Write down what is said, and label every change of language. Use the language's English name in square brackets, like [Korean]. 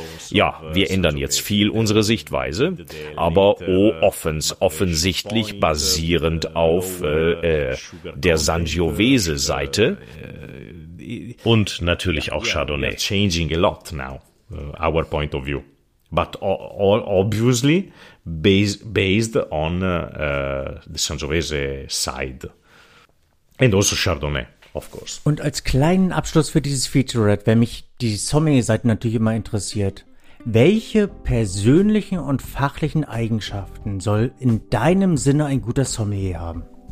[German] Ja, wir ändern jetzt viel unsere Sichtweise, aber offensichtlich basierend auf der Sangiovese-Seite und natürlich auch Chardonnay. [English] We are changing a lot now. Our point of view, but all obviously based on the Sangiovese side and also Chardonnay, of course. [German] Und als kleinen Abschluss für dieses Featurette, wenn mich die Sommelier-Seite natürlich immer interessiert, welche persönlichen und fachlichen Eigenschaften soll in deinem Sinne ein guter Sommelier haben?